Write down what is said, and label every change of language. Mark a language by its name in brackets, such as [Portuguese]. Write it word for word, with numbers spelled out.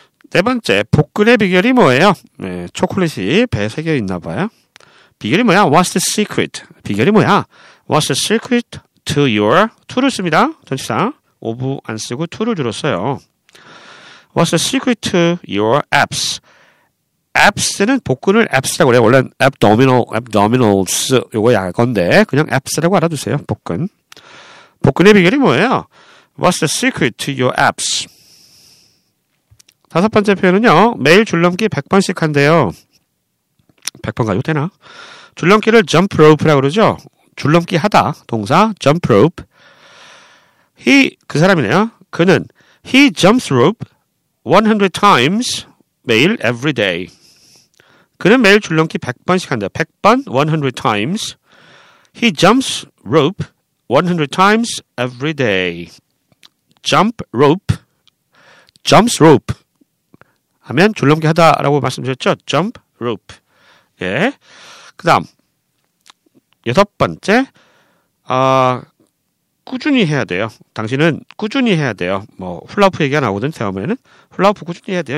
[Korean] 네 번째, 복근의 비결이 뭐예요? 네, 초콜릿이 배에 새겨 있나 봐요. 비결이 뭐야? What's the secret? 비결이 뭐야? [English] What's the secret to your... [Korean] to를 씁니다. 전치사. of 안 쓰고 to를 주로 써요. [English] What's the secret to your abs? [Korean] abs는 복근을 abs라고 그래요. 원래 abdominal, abdominals 요거 약건데 그냥 abs라고 알아두세요. 복근. 복근의 비결이 뭐예요? [English] What's the secret to your abs? [Korean] 다섯 번째 표현은요. 매일 줄넘기 백 번씩 한대요. 백 번 가도 되나? 줄넘기를 jump rope라고 그러죠. 줄넘기 하다. [English] 동사 jump rope. [Korean] He, 그 사람이네요. [English] 그는 he jumps rope one hundred times 매일 every day. [Korean] 그는 매일 줄넘기 백 번씩 한대요. [English] 백 번, one hundred times. He jumps rope one hundred times every day. jump rope. jumps rope. [Korean] 하면 줄넘기 하다라고 말씀드렸죠. [English] jump rope. 예. [Korean] 그 다음, 여섯 번째, 아, 꾸준히 해야 돼요. 당신은 꾸준히 해야 돼요. 뭐, 훌라후프 얘기가 나오거든, 처음에는. 훌라후프 꾸준히 해야 돼요.